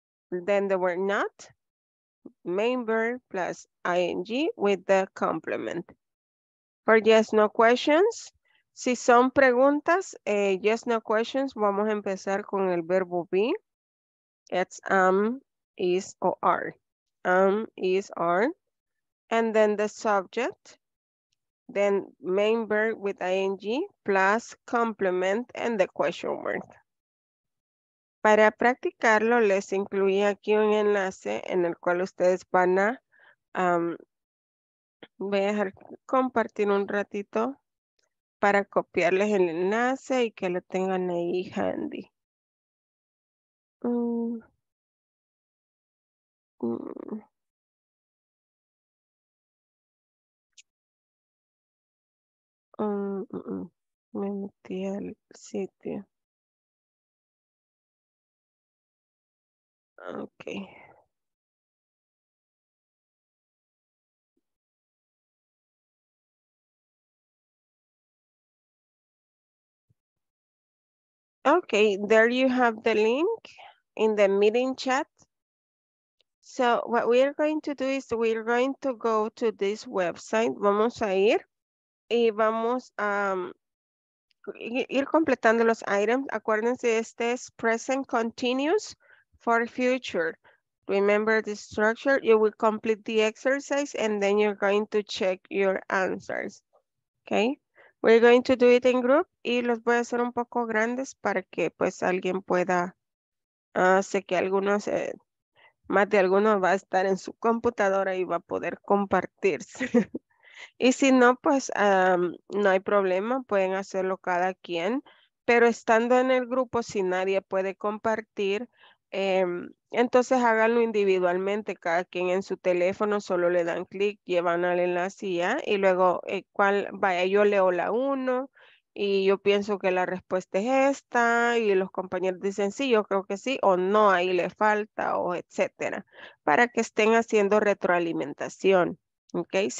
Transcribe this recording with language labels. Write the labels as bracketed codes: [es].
[en] Then the word not, main verb plus ing with the complement. For yes, no questions. [es] Si son preguntas, [en] yes, no questions, [es] vamos a empezar con el verbo be. [en] It's am, is, or are. Is, are, and then the subject, then main verb with ing, plus complement, and the question mark. [es] Para practicarlo, les incluí aquí un enlace en el cual ustedes van a... voy a dejar compartir un ratito para copiarles el enlace y que lo tengan ahí handy. Me metí al sitio. [en] Okay. Okay, there you have the link in the meeting chat. So what we are going to do is we are going to go to this website. [es] Vamos a ir y vamos a ir completando los items. Acuérdense, este es [en] present continuous for future. Remember the structure. You will complete the exercise and then you're going to check your answers. Okay. We're going to do it in group [es] y los voy a hacer un poco grandes para que pues alguien pueda, sé que algunos, más de algunos va a estar en su computadora y va a poder compartirse. Y si no, pues no hay problema, pueden hacerlo cada quien, pero estando en el grupo, si nadie puede compartir, entonces háganlo individualmente, cada quien en su teléfono, solo le dan clic, llevan al enlace ya, y luego cuál vaya, yo leo la uno y yo pienso que la respuesta es esta y los compañeros dicen sí, yo creo que sí o no, ahí le falta o etcétera, para que estén haciendo retroalimentación, okay.